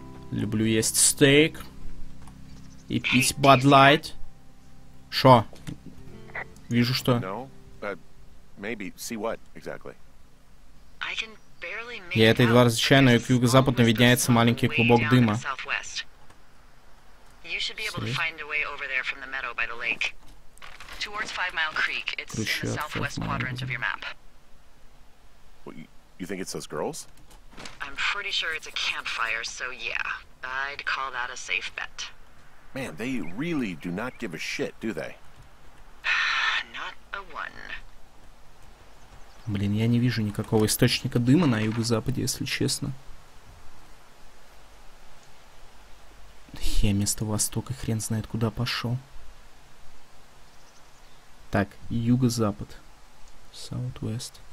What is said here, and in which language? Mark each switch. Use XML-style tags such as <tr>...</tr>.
<ru>Люблю есть стейк. И пить Bud Light. Шо? Вижу, что...</ru> <en>Maybe. See what exactly? I can barely make out.</en> <ru>Я это едва различаю, но и к юго-западу виднеется маленький клубок дыма.</ru> <en>You should be able to find a way over there from the meadow by the lake. Towards Five Mile Creek. It's in the southwest quadrant of your map. What, you think it's those girls? I'm pretty sure it's a campfire, so yeah. I'd call that a safe bet. Man, they really do not give a shit, do they? Not a one.</en> <ru>Блин, я не вижу никакого источника дыма на юго-западе, если честно. Я вместо востока хрен знает куда пошел. Так, юго-запад. Southwest.</ru>